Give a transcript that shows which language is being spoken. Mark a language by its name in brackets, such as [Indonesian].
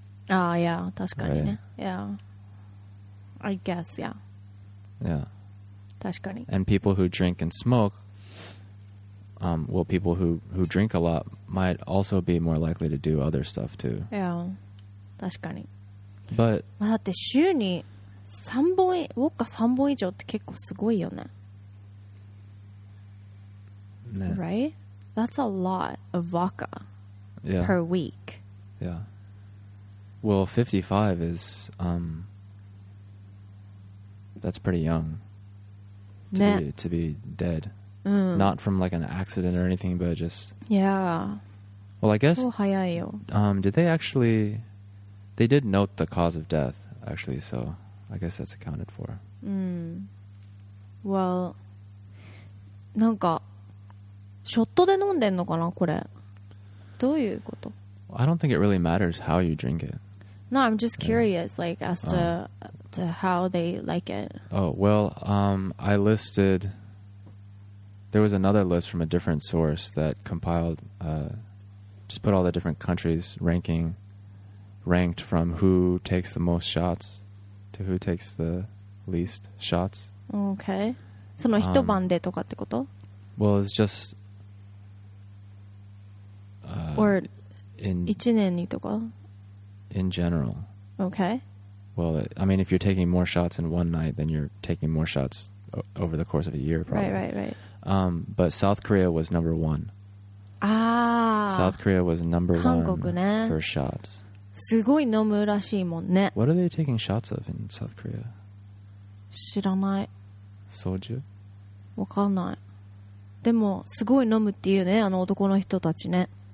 [English] Ah, yeah, [Japanese] 確かにね。 [English] Yeah. I guess, yeah. Yeah. [Japanese] 確かに。 [English] And people who drink and smoke, people who drink a lot might also be more likely to do other stuff too. [Japanese] Yeah, 確かに。 [English] But... [Japanese] だって週に3本、ウォッカ3本以上って結構すごいよね。 [English] Yeah. Right? That's a lot of vodka. Yeah. Per week. Yeah. Well, 55 is, that's pretty young to be dead. Mm. Not from like an accident or anything, but just... Yeah. Well, I guess... [Japanese] 超早いよ。 [English] Did they actually... They did note the cause of death, actually, so I guess that's accounted for. Mm. [Japanese] Well, なんか、ショットで飲んでんのかな、これ。どういうこと? [English] I don't think it really matters how you drink it. No, I'm just curious, like, as to how they like it. Oh, well, I listed... There was another list from a different source that compiled... just put all the different countries ranked from who takes the most shots to who takes the least shots. Okay. [Japanese] その一晩でとかってこと? [English] Well, it's just... [Japanese] Or 1年にとか? [English] In general. Okay. Well, I mean, if you're taking more shots in one night, then you're taking more shots over the course of a year, probably. Right. But South Korea was number one. Ah. South Korea was number one for shots. [Japanese] すごい飲むらしいもんね。 [English] What are they taking shots of in South Korea? [Japanese] 知らない。 [English] Soju? [Japanese] わかんない。でも、すごい飲むっていうね、あの男の人たちね。